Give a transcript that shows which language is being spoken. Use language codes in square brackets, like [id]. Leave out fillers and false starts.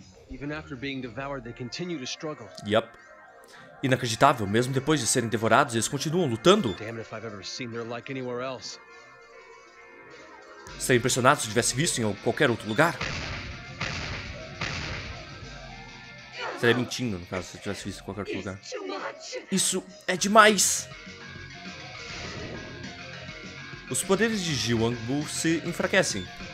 [en] Even after being devoured, they continue to struggle. Yep. [pt] Inacreditável, mesmo depois de serem devorados, eles continuam lutando. [en] Damn if I've ever seen their like anywhere else. [pt] Seria impressionado se tivesse visto em qualquer outro lugar. Seria mentindo, no caso, se tivesse visto em qualquer outro lugar. Isso é demais! Os poderes de Jiwangbu se enfraquecem.